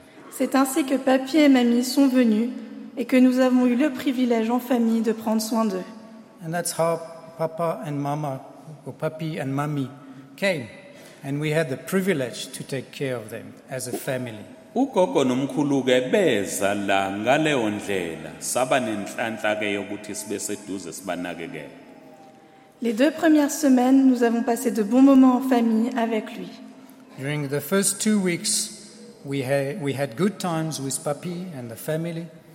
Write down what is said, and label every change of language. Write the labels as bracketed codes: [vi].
[fr] C'est ainsi que Papi et Mamie sont venus et que nous avons eu le privilège en famille de prendre soin d'eux. [en] And that's how Papa and Mama, or Papi and Mami, came, and we had the privilege to take care of them as a family. [zu] Ugogo nomkhuluke beza la ngaleyo ndlela saba nenhlanhla ke yokuthi sibe seduze sibanakekele. [fr] Les deux premières semaines, nous avons passé de bons moments en famille avec lui. [en] During the first 2 weeks, we had good times with Papi and the family.